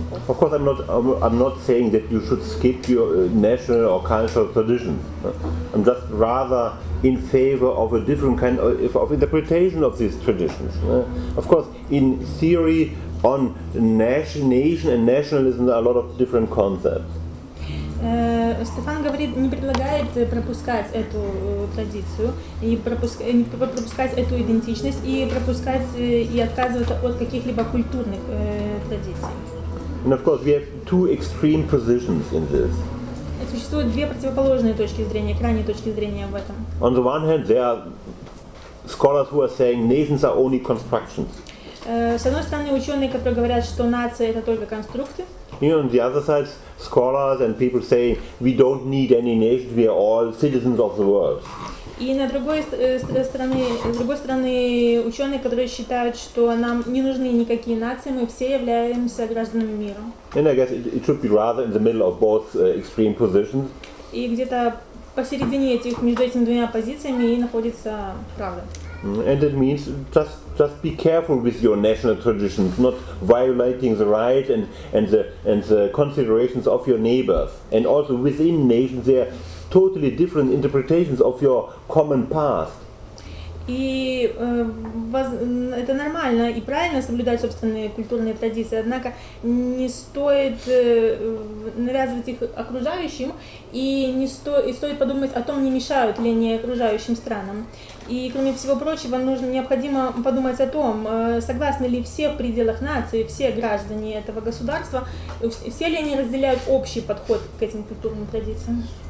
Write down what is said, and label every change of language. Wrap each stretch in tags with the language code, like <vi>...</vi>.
<en>Of course, I'm not saying that you should skip your national or cultural tradition. I'm just rather in favor of a different kind of interpretation of these traditions. Of course, in theory, on nation and nationalism, there are a lot of different concepts.</en> <ru>Стефан говорит, не предлагает пропускать эту традицию, и пропускать эту идентичность, и пропускать и отказываться от каких-либо культурных традиций.</ru> <en>And of course, we have two extreme positions in this.</en> <ru>Существуют две противоположные точки зрения, крайние точки зрения в этом.</ru> <en>On the one hand, there are scholars who are saying nations are only constructions.</en> <ru>С одной стороны, ученые, которые говорят, что нация — это только конструкты.</ru> <en>You know, on the other side, scholars and people say we don't need any nations; we are all citizens of the world.</en> <ru>И на другой стороны, с другой стороны, ученые, которые считают, что нам не нужны никакие нации, мы все являемся гражданами мира.</ru> <en>And I guess it should be rather in the middle of both extreme positions.</en> <ru>И где-то посередине этих, между этими двумя позициями, и находится правда.</ru> <en>And it means just be careful with your national traditions, not violating the rights and the considerations of your neighbors. And also within nations, there are totally different interpretations of your common past.</en> <ru>И это нормально и правильно соблюдать собственные культурные традиции, однако не стоит навязывать их окружающим, и стоит подумать о том, не мешают ли они окружающим странам. И, кроме всего прочего, необходимо подумать о том, согласны ли все в пределах нации, все граждане этого государства, все ли они разделяют общий подход к этим культурным традициям.</ru>